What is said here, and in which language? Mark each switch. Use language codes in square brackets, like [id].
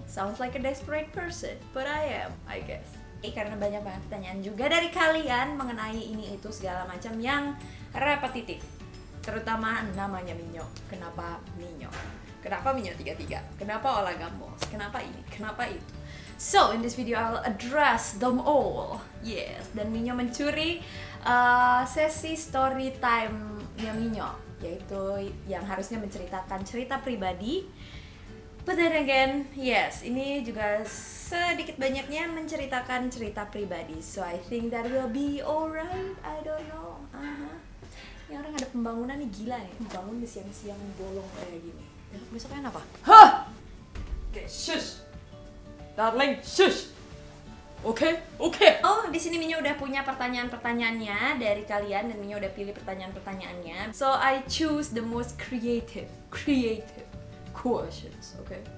[en] Sounds like a desperate person, but I am, I guess. [id] Karena banyak banget pertanyaan juga dari kalian mengenai ini itu segala macam yang repetitif. Terutama namanya Minyo. Kenapa Minyo? Kenapa Minyo 33? Kenapa Olah Gambos? Kenapa ini? Kenapa itu? [en] So, in this video I'll address them all. [id] Yes, dan Minyo mencuri sesi story time-nya Minyo, yaitu yang harusnya menceritakan cerita pribadi. [en] But then again, yes, [id] ini juga sedikit banyaknya menceritakan cerita pribadi. [en] So I think that will be alright, I don't know. [id] Ini orang ada pembangunan nih, gila nih. Bangun di siang-siang bolong kayak gini. Besoknya apa? [en] Hah! Okay, shush! Darling, shush! Okay. [id] Oh, di sini Minyo udah punya pertanyaan-pertanyaannya dari kalian. Dan Minyo udah pilih pertanyaan-pertanyaannya. [en] So I choose the most creative questions, okay?